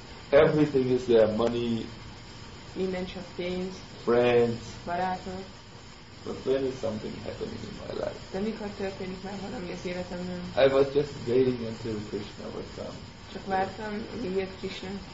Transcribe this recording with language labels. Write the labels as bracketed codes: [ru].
[en] Everything is there, money. [hu] Minden csak pénz. [en] Friends. [hu] Barátok. [en] But when is something happening in my life? [hu] De mikor történik már valami az életemben? [en] I was just waiting until Krishna would come. [hu] Csak vártam, amíg jött Krishna.